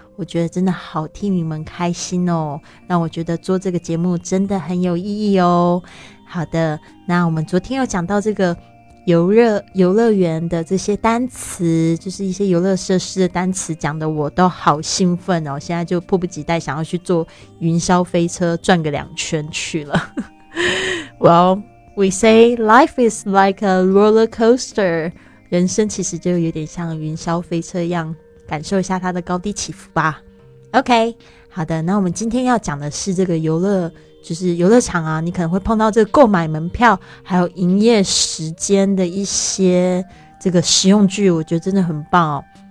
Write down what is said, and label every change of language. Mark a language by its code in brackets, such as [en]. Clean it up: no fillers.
[zh] 我觉得真的好替你们开心哦，让我觉得做这个节目真的很有意义哦。好的，那我们昨天有讲到这个游乐园的这些单词，就是一些游乐设施的单词，讲的我都好兴奋哦，现在就迫不及待想要去坐云霄飞车转个两圈去了。 [en] Well, we say life is like a roller coaster. [zh] 人生其实就有点像云霄飞车一样，感受一下它的高低起伏吧。 OK, 好的，那我们今天要讲的是这个游乐场啊，你可能会碰到这个购买门票还有营业时间的一些这个实用句，我觉得真的很棒哦。